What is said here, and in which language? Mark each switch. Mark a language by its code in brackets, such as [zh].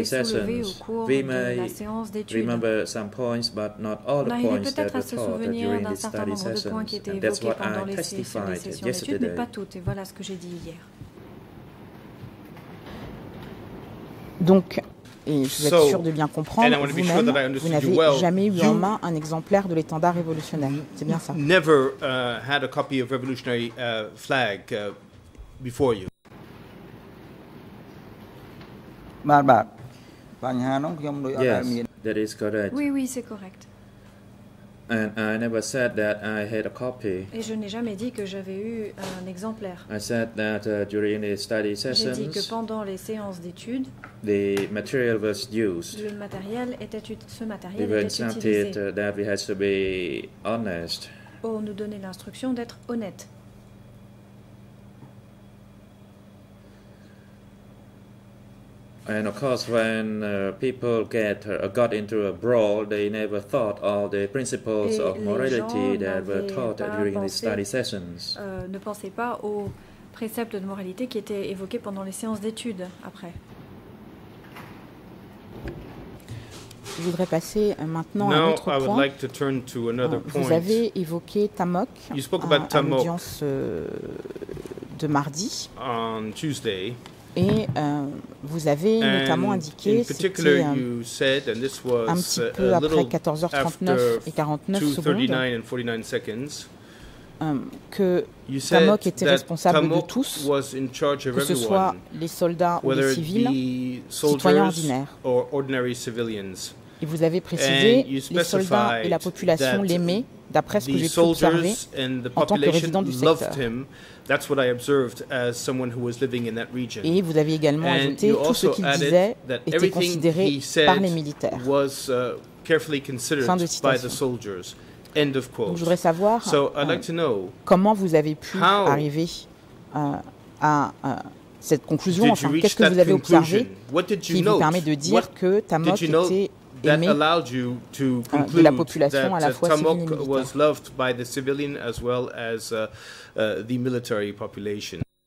[fr] été soulevés au cours de la séance d'études. [en] Remember some points, but not all the points that were taught during the study sessions. And that's what I testified yesterday. [fr] Mais pas toutes. Et voilà ce que j'ai dit hier. Donc, et je vais être sûr de bien comprendre, vous-même, vous n'avez jamais eu en main un exemplaire de l'étendard révolutionnaire. C'est bien ça. [en] Never had a copy of revolutionary flag before you. Yes, that is correct. [fr] Oui, c'est correct. [en] And I never said that I had a copy. [fr] Et je n'ai jamais dit que j'avais eu un exemplaire. [en] I said that during the study sessions. [fr] J'ai dit que pendant les séances d'études. [en] The material was used. [fr] Le matériel était ce matériel [en] they [fr] était utilisé. [en] They were instructed that we had to be honest. [fr] On nous donnait l'instruction d'être honnête. [en] And of course, when people got into a brawl, they never thought of the principles of morality that were taught during the study sessions. [fr] Ne pensaient pas aux préceptes de moralité qui étaient évoqués pendant les séances d'études après. je voudrais passer maintenant à un autre point. [en] Like to turn to another point. [fr] Vous avez évoqué Tamok à l'audience de mardi. [en] On Tuesday. [fr] Et vous avez notamment indiqué, c'était un petit peu après 14h39 et 49 secondes, que Tamok était responsable de tous, que ce soit les soldats ou les civils, citoyens ordinaires. Et vous avez précisé les soldats et la population l'aimaient, d'après ce que j'ai pu observer en tant que résident du secteur. [en] That's what I observed as someone who was living in that region. [fr] Et vous avez également ajouté tout ce qu'il disait était considéré par les militaires. [en] Was carefully considered by the soldiers. End of quote. [fr] Donc, je voudrais savoir comment vous avez pu arriver à cette conclusion. Enfin, qu'est-ce que vous avez observé qui vous permet de dire que Tamok était aimé de la population à la fois civile et militaire. [en] Was loved by the civilian as well as the military population.